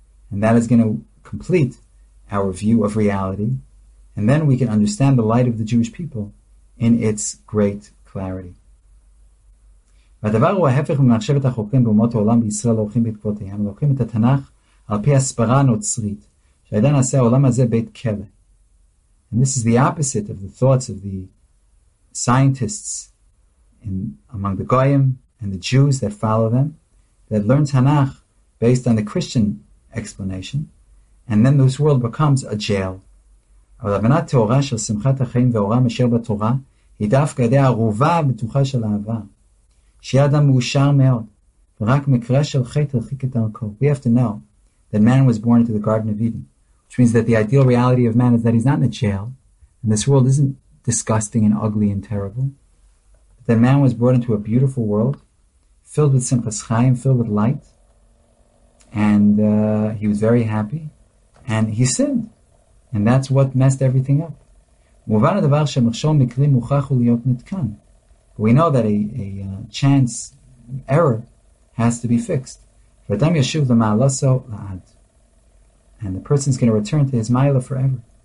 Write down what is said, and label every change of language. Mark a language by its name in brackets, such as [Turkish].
[English] And that is going to complete our view of reality, and then we can understand the light of the Jewish people in its great clarity. [Hebrew] והדבר הוא ההפך ממחשבת החוקרים באומות העולם בישראל לוקחים בעקבותיהם, לוקחים את התנ"ך על פי הסברה הנוצרית, שהייתה נעשה העולם הזה בית כלא. [English] And this is the opposite of the thoughts of the scientists among the Goyim and the Jews that follow them, that learn Tanakh based on the Christian explanation, and then this world becomes a jail. [Hebrew] אבל הבנת תאורה של שמחת החיים ואורם אשר בתורה היא דווקא ידי הערובה הבטוחה של אהבה. שיהיה אדם מאושר מאוד, ורק מקרה של חטא הרחיק את דרכו. [English] We have to know that man was born into the Garden of Eden, which means that the ideal reality of man is that he's not in a jail, and this world isn't disgusting and ugly and terrible, but that man was born into a beautiful world, filled with simchas chaim, filled with light, and he was very happy, and he sinned, and that's what messed everything up. [Hebrew] מובן הדבר שמחשור מקרי מוכרח להיות נתקן. [English] We know that a chance, an error, has to be fixed. [Hebrew] V'adam yashuv l'ma'aloso la'ad. [English] And the person is going to return to his ma'ala forever.